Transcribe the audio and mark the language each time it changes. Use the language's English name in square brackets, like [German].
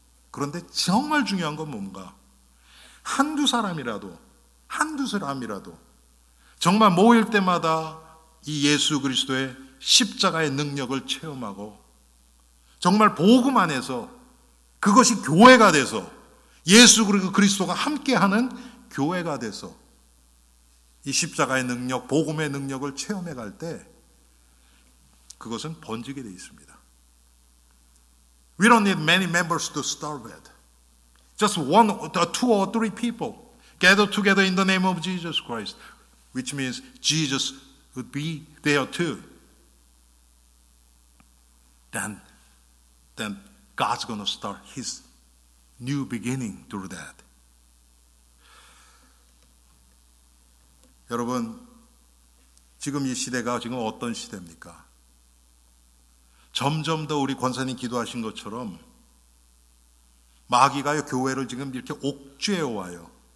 [Korean] 그런데 정말 중요한 건 뭔가? 한두 사람이라도, 한두 사람이라도 정말 모일 때마다 이 예수 그리스도의 십자가의 능력을 체험하고 정말 복음 안에서 그것이 교회가 돼서 예수 그리스도가 함께하는 교회가 돼서 이 십자가의 능력, 복음의 능력을 체험해 갈 때 그것은 번지게 돼 있습니다. [English] We don't need many members to start with. Just one, two or three people gather together in the name of Jesus Christ, which means Jesus would be there too. Then God's going to start his new beginning through that. [Korean] 여러분, 지금 이 시대가 지금 어떤 시대입니까? 점점 더 우리 권사님 기도하신 것처럼 마귀가 교회를 지금 이렇게 옥죄어와요.